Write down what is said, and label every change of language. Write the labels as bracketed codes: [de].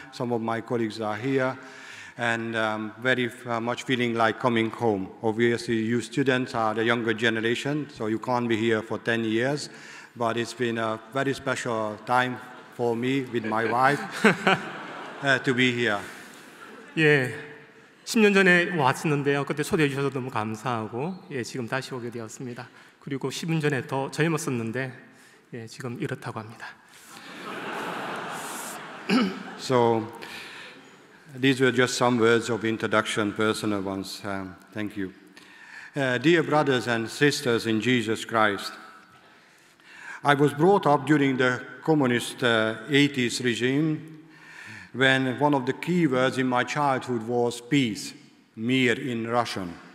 [en] Some of my colleagues are here, and very much feeling like coming home. Obviously, you students are the younger generation, so you can't be here for 10 years, but it's been a very special time for me with my wife to be here. Yeah. [ko] 10년 전에 왔었는데요. 그때 초대해 주셔서 너무 감사하고 예, 지금 다시 오게 되었습니다. 그리고 10년 전에 더 젊었었는데 예, 지금 이렇다고 합니다. [en] So these were just some words of introduction, personal ones. Thank you. Dear brothers and sisters in Jesus Christ, I was brought up during the communist 80s regime, when one of the key words in my childhood was peace, [ru] mir [en] in Russian.